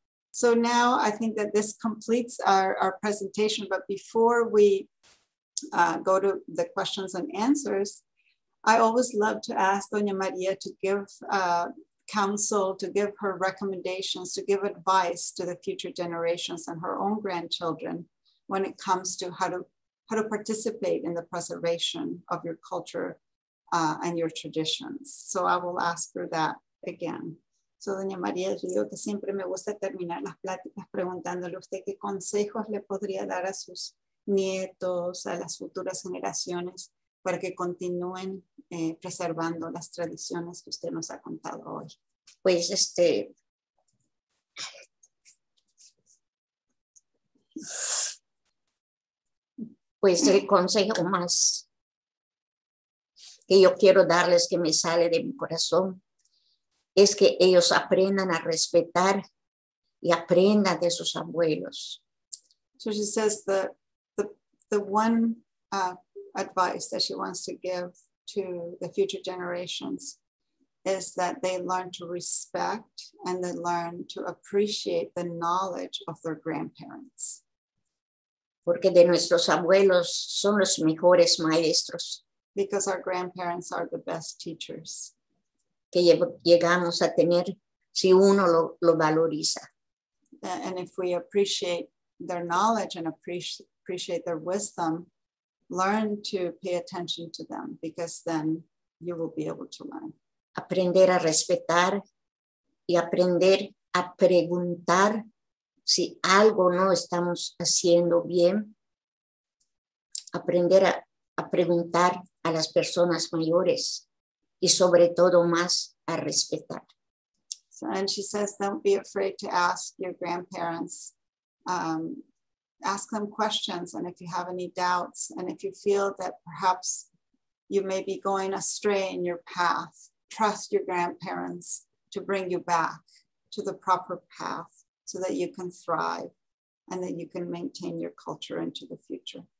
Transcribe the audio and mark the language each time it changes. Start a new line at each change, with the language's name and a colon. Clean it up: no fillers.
English: So now I think that this completes our presentation, but before we go to the questions and answers, I always love to ask Doña María to give counsel, to give her recommendations, to give advice to the future generations and her own grandchildren when it comes to how to participate in the preservation of your culture and your traditions. So I will ask her that again.
Spanish: So, Doña María, yo digo que siempre me gusta terminar las pláticas preguntándole a usted qué consejos le podría dar a sus nietos, a las futuras generaciones, para que continúen preservando las tradiciones que usted nos ha contado hoy. Pues, pues el consejo más que yo quiero darles, que me sale de mi corazón, es que ellos aprendan a respetar y aprendan de sus abuelos.
English: So she says the one advice that she wants to give to the future generations is that they learn to respect and they learn to appreciate the knowledge of their grandparents.
Spanish: Porque de nuestros abuelos son los mejores maestros.
English: Because our grandparents are the best teachers.
Spanish: Que llegamos a tener si uno lo valoriza.
English: And if we appreciate their knowledge and appreciate their wisdom, learn to pay attention to them, because then you will be able to learn.
Spanish: Aprender a respetar y aprender a preguntar si algo no estamos haciendo bien, aprender a preguntar a las personas mayores y sobre todo más a respetar.
English: So, and she says, don't be afraid to ask your grandparents, ask them questions, and if you have any doubts, and if you feel that perhaps you may be going astray in your path, trust your grandparents to bring you back to the proper path, so that you can thrive and that you can maintain your culture into the future.